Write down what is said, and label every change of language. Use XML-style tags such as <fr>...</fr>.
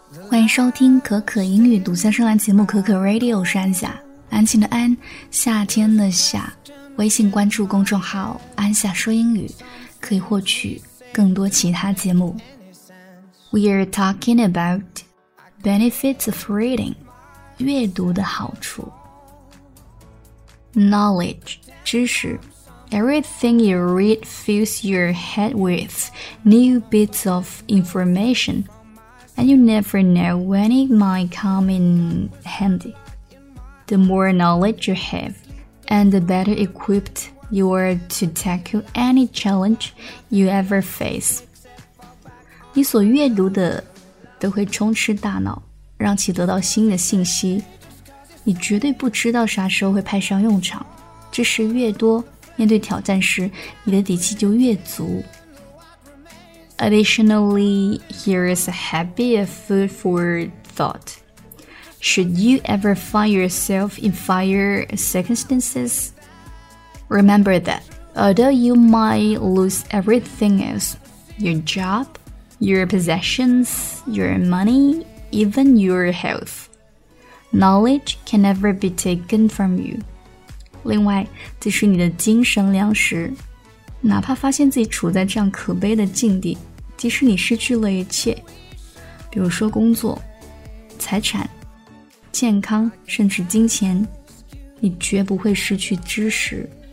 <zh>欢迎收听可可英语独家专栏节目可可 Radio， 我是安夏，安静的安，夏天的夏。微信关注公众号安夏说英语，可以获取更多其他节目。</zh> <en>We are talking about benefits of reading，</en> <zh>阅读的好处。</zh> <en>Knowledge，</en> <zh>知识。</zh> <en>Everything you read fills your head with new bits of information, and you never know when it might come in handy. The more knowledge you have, and the better equipped you are to tackle any challenge you ever face.</en> <zh>你所阅读的都会充斥大脑，让其得到新的信息。你绝对不知道啥时候会派上用场，知识越多，面对挑战时，你的底气就越足。</zh> <en>Additionally, here is a habit of food for thought. Should you ever find yourself in fire circumstances? Remember that, although you might lose everything else, your job, your possessions, your money, even your health, knowledge can never be taken from you.</en> <zh>另外，这是你的精神粮食。哪怕发现自己处在这样可悲的境地，即使你失去了一切，比如说工作、财产、健康，甚至金钱，你绝不会失去知识。</zh>